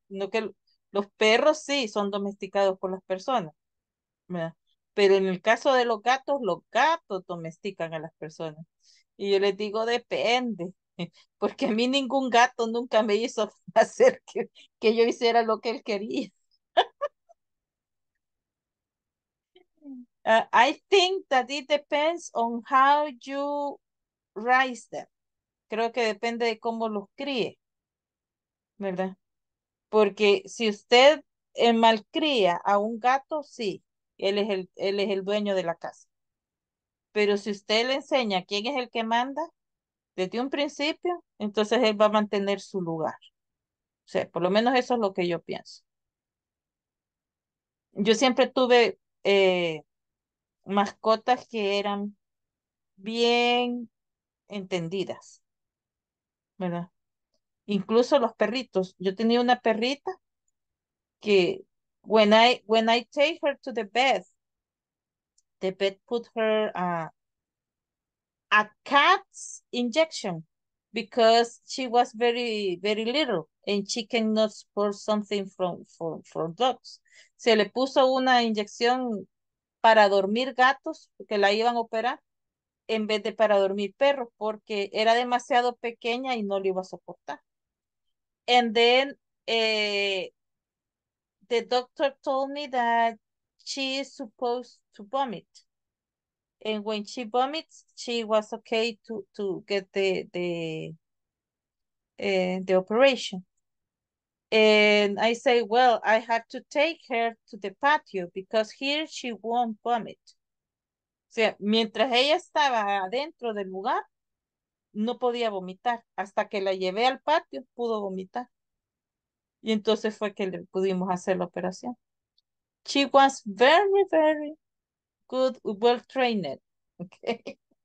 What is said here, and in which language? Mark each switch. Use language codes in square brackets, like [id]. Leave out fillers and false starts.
[es] No que los perros sí son domesticados por las personas, ¿verdad? Pero en el caso de los gatos domestican a las personas. Y yo les digo, depende. Porque a mí ningún gato nunca me hizo hacer que yo hiciera lo que él quería. [en] I think that it depends on how you raise them. [es] Creo que depende de cómo los críe, ¿verdad? Porque si usted malcría a un gato, sí, él es el dueño de la casa. Pero si usted le enseña quién es el que manda desde un principio, entonces él va a mantener su lugar. O sea, por lo menos eso es lo que yo pienso. Yo siempre tuve mascotas que eran bien entendidas, ¿verdad? Incluso los perritos. Yo tenía una perrita que [en] when I take her to the vet put her a cat's injection because she was very, very little and she cannot support something from dogs. [es] Se le puso una inyección para dormir gatos, que la iban a operar, en vez de para dormir perros, porque era demasiado pequeña y no lo iba a soportar. [en] And then, the doctor told me that she is supposed to vomit. And when she vomits, she was okay to get the operation. And I say, well, I had to take her to the patio because here she won't vomit. [es] O sea, mientras ella estaba adentro del lugar, no podía vomitar. Hasta que la llevé al patio, pudo vomitar. Y entonces fue que le pudimos hacer la operación. [en] She was very, very good, well trained. Okay.